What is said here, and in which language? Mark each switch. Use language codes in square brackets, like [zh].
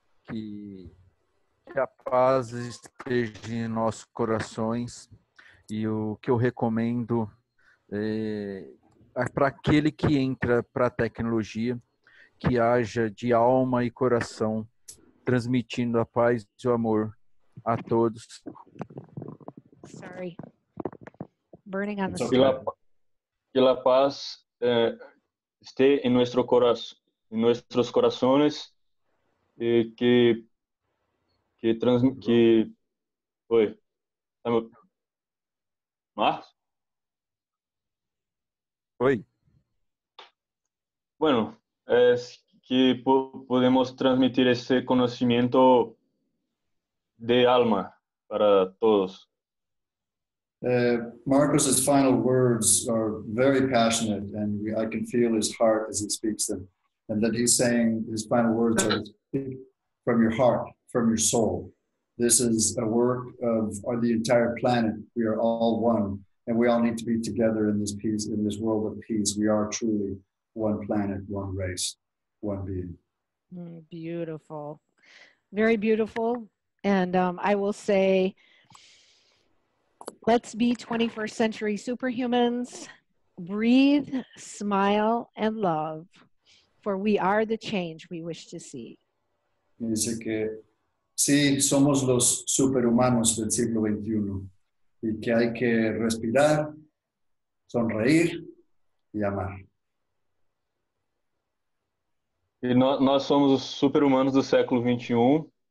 [pt] Que a paz esteja em nossos corações, e o que eu recomendo é para aquele que entra para a tecnologia, que haja de alma e coração, transmitindo a paz e o amor a todos. [en] Sorry. Burning on the screen. [es] Que a paz esté en nuestro corazón, en nuestros corazones, y que transmite, que, oye, Marcos, oye, bueno, [pt] que podemos transmitir esse conhecimento de alma para todos. [en] Marcos's final words are very passionate, and I can feel his heart as he speaks them, and that he's saying his final words are speak from your heart, from your soul. This is a work of the entire planet. We are all one, and we all need to be together in this peace, in this world of peace. We are truly one planet, one race, one being. Beautiful. Very beautiful. And I will say, let's be 21st century superhumans. Breathe, smile, and love, for we are the change we wish to see. [es] Dice que sí, somos los superhumanos del siglo XXI, y que hay que respirar, sonreír y amar. [pt] E nós somos os super-humanos do século 21.